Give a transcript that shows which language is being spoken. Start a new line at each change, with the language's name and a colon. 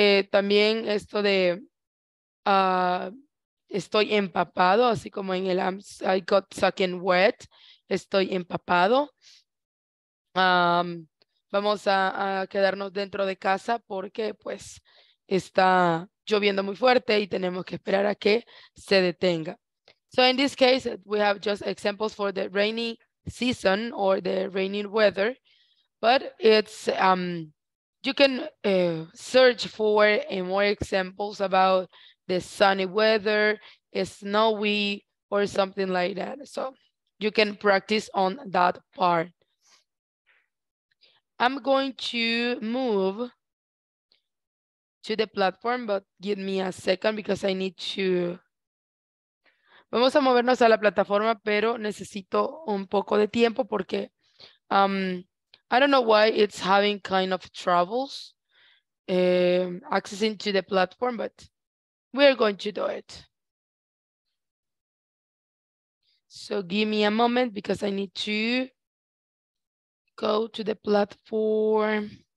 Spanish: También esto de estoy empapado, así como en el
English: I got soaking wet,
Spanish: estoy empapado. Vamos a quedarnos dentro de casa porque pues está lloviendo muy fuerte y tenemos que esperar a que se detenga.
English: So in this case, we have just examples for the rainy season or the raining weather, but it's you can search for more examples about the sunny weather, snowy or something like that, so you can practice on that part. I'm going to move to the platform, but give me a second because I need to.
Spanish: Vamos a movernos a la plataforma, pero necesito un poco de tiempo porque
English: I don't know why it's having kind of troubles accessing to the platform, but we're going to do it. So give me a moment because I need to go to the platform.